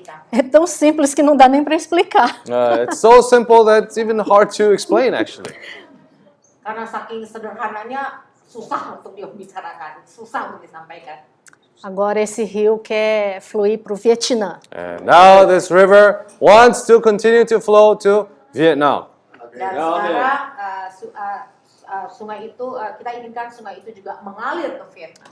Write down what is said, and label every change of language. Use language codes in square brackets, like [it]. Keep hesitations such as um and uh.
[pt] É tão simples que não dá nem para explicar. [en] it's so simple that it's even hard to explain actually. [id] karena saking sederhananya susah untuk dibicarakan, susah untuk disampaikan. [pt] Agora esse rio quer fluir para o Vietnã. [en] And now this river wants to continue to flow to Vietnam. [id] Dan sekarang okay. sungai itu kita inginkan sungai itu juga mengalir ke Vietnam.